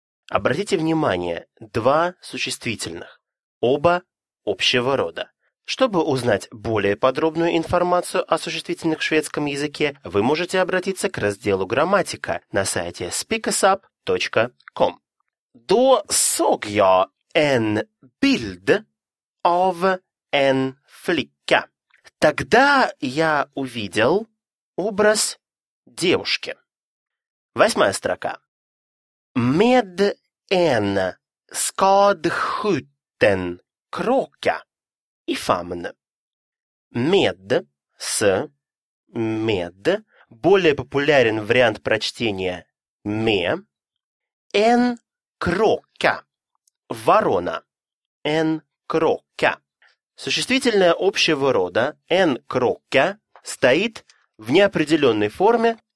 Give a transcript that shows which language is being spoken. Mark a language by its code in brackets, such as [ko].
[ru] Обратите внимание, два существительных, оба общего рода. Чтобы узнать более подробную информацию о существительных в шведском языке, вы можете обратиться к разделу «Грамматика» на сайте speakusup.com. [sv] Då såg jag en bild av en flicka. [ru] Тогда я увидел образ девушки. Восьмая строка. [sv] Med en skadskjuten kråka i famn. Med, с, med. [ru] Более популярен вариант прочтения «me». [sv] En kråka. Ворона. En kråka. [ru] Существительное общего рода «en kråka» стоит в неопределенной форме.